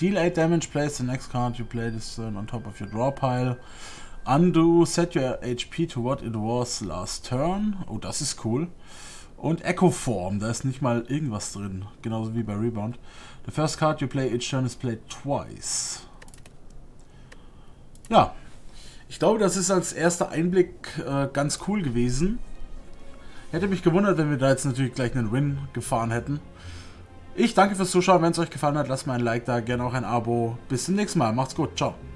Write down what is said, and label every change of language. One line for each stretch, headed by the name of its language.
English: Deal 8 damage, place the next card you play this turn on top of your draw pile. Undo, set your HP to what it was last turn.
German: Oh, das ist cool. Und Echo Form, da ist nicht mal irgendwas drin. Genauso wie bei Rebound.
English: The first card you play each turn is played twice.
German: Ja. Ich glaube, das ist als erster Einblick ganz cool gewesen. Hätte mich gewundert, wenn wir da jetzt natürlich gleich einen Win gefahren hätten. Ich danke fürs Zuschauen. Wenn es euch gefallen hat, lasst mal ein Like da, gerne auch ein Abo. Bis zum nächsten Mal. Macht's gut. Ciao.